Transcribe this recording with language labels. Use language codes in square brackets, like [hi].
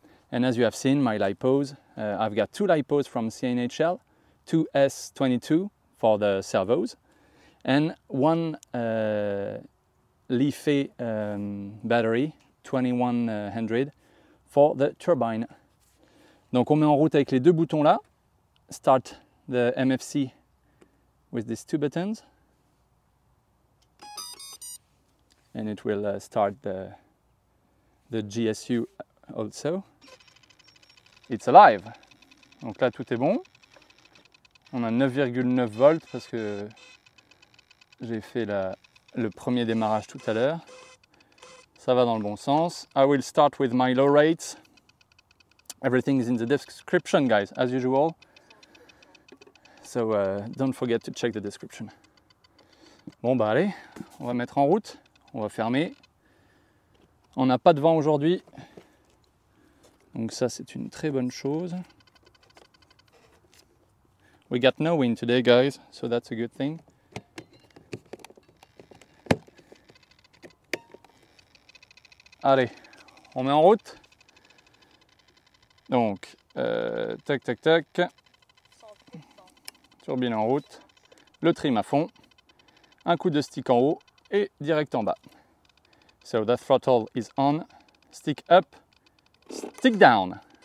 [en] And as you have seen, my lipos, I've got two lipos from CNHL, 2S22 for the servos, and one LiFe battery, 2100 for the turbine. [fr] Donc on met en route avec les deux boutons là. [en] Start the MFC with these two buttons. And it will start the GSU also. It's alive. [fr] Donc là, tout est bon. On a 9,9 volts parce que j'ai fait le premier démarrage tout à l'heure. Ça va dans le bon sens. [en] I will start with my low rates. Everything is in the description, guys, as usual. So don't forget to check the description. [fr] Bon, bah allez, on va mettre en route. On va fermer. On n'a pas de vent aujourd'hui. Donc ça, c'est une très bonne chose. [en] We got no wind today, guys, so that's a good thing. [fr] Allez, on met en route. Donc, tac, tac, tac. Turbine en route. Le trim à fond. Un coup de stick en haut et direct en bas. [en] So the throttle is on, stick up, stick down.